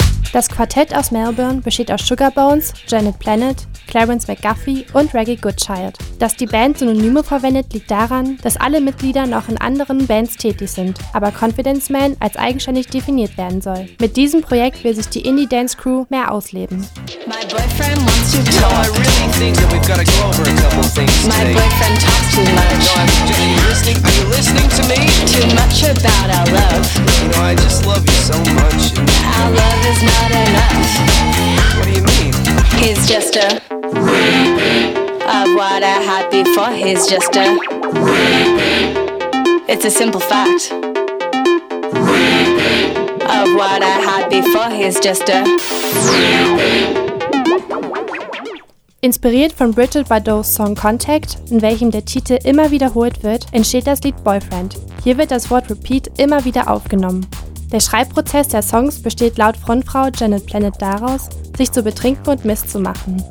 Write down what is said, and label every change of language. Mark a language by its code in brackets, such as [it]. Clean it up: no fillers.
[de] Das Quartett aus Melbourne besteht aus Sugarbones, Janet Planet, Clarence McGuffie und Reggie Goodchild. Dass die Band Synonyme verwendet, liegt daran, dass alle Mitglieder noch in anderen Bands tätig sind, aber Confidence Man als eigenständig definiert werden soll. Mit diesem Projekt will sich die Indie-Dance-Crew mehr ausleben. [en] My boyfriend wants to talk. No, I really think that we've got to go over a couple things today. My boyfriend talks too much. Are you listening to me? Too much about our love. You know, I just love you so much. Our love is not enough. What do you mean? He's just a repeat of what I had before. He's just a repeat. It's a simple fact. Repeat of what I had before. He's just a repeat. [de] Inspiriert von Bridget Bardot's Song Contact, in welchem der Titel immer wiederholt wird, entsteht das Lied Boyfriend. Hier wird das Wort Repeat immer wieder aufgenommen. Der Schreibprozess der Songs besteht laut Frontfrau Janet Planet daraus, sich zu betrinken und Mist zu machen.